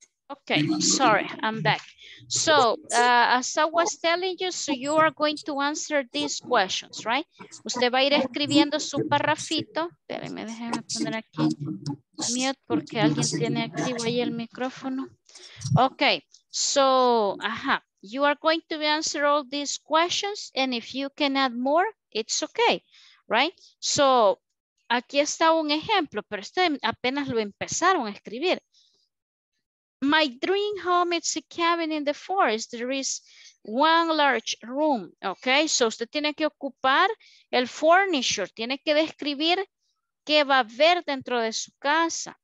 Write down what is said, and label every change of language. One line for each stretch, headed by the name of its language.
English: Okay, sorry, I'm back. So, as I was telling you, so you are going to answer these questions, right?
Spanish: Usted va a ir escribiendo su parrafito. Espérenme, déjenme poner aquí mute porque alguien tiene activo ahí el micrófono.
English: Okay, so, you are going to answer all these questions, and if you can add more, it's okay, right?
Spanish: So, aquí está un ejemplo, pero este apenas lo empezaron a escribir.
English: My dream home is a cabin in the forest. There is one large room.
Spanish: Okay, so usted tiene que ocupar el furniture. Tiene que describir qué va a ver dentro de su casa.